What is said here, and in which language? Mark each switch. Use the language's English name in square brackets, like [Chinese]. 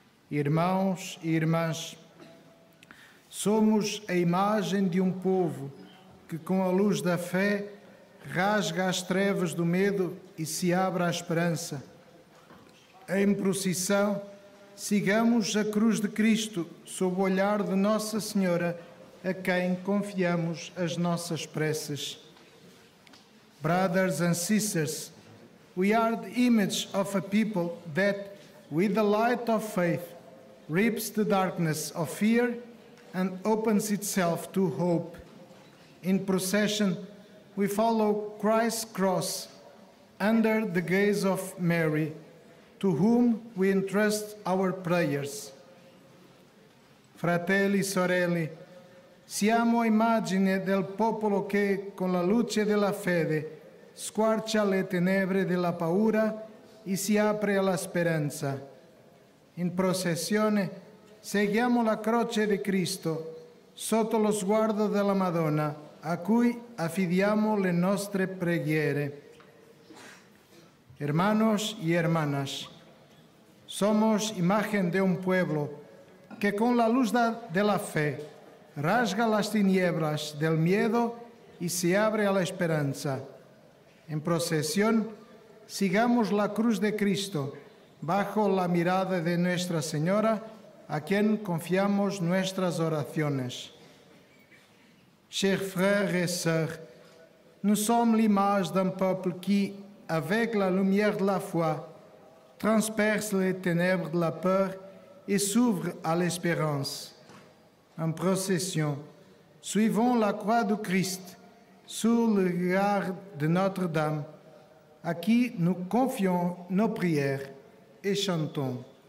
[Portuguese] Irmãos e irmãs, somos a imagem de um povo que, com a luz da fé, rasga as trevas do medo e se abre à esperança. Em procissão, sigamos a cruz de Cristo sob o olhar de Nossa Senhora, a quem confiamos as nossas preces. [English] Brothers and sisters, we are the image of a people that, with the light of faith, rips the darkness of fear and opens itself to hope. In procession, we follow Christ's cross under the gaze of Mary, to whom we entrust our prayers. [Italian] Fratelli e sorelle, siamo a immagine del popolo che, con la luce della fede, squarcia le tenebre della paura e si apre alla speranza. In processione, seguiamo la croce di Cristo sotto lo sguardo della Madonna, a cui affidiamo le nostre preghiere. [Spanish] Hermanos y hermanas, somos imagen de un pueblo que con la luz de la fe rasga las tinieblas del miedo y se abre a la esperanza. En procesión, sigamos la cruz de Cristo bajo la mirada de Nuestra Señora, a quien confiamos nuestras oraciones. [French] Chers frères et sœurs, nous sommes l'image d'un peuple qui, avec la lumière de la foi, transperce les ténèbres de la peur et s'ouvre à l'espérance. En procession, suivons la croix du Christ sous le regard de Notre-Dame, à qui nous confions nos prières et chantons.